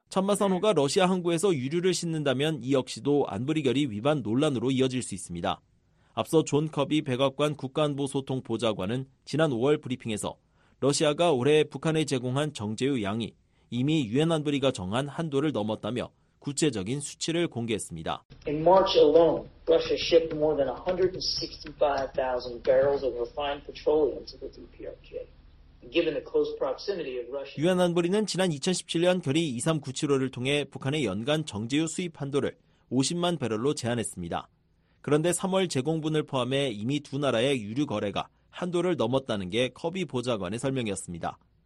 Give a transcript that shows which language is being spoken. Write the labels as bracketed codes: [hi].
[ko] 천마선호가 러시아 항구에서 유류를 싣는다면 이 역시도 안보리 결의 위반 논란으로 이어질 수 있습니다. 앞서 존 커비 백악관 국가안보소통 보좌관은 지난 5월 브리핑에서 러시아가 올해 북한에 제공한 정제유 양이 이미 유엔 안보리가 정한 한도를 넘었다며 구체적인 수치를 공개했습니다. [en] In March alone, Russia shipped more than 165,000 barrels of refined petroleum to the DPRK. Given the close proximity of Russia, [ko] 유엔 안보리는 지난 2017년 결의 2397호를 통해 북한의 연간 정제유 수입 한도를 50만 배럴로 제한했습니다. 그런데 3월 제공분을 포함해 이미 두 나라의 유류 거래가 한도를 넘었다는 게 커비 보좌관의 설명이었습니다.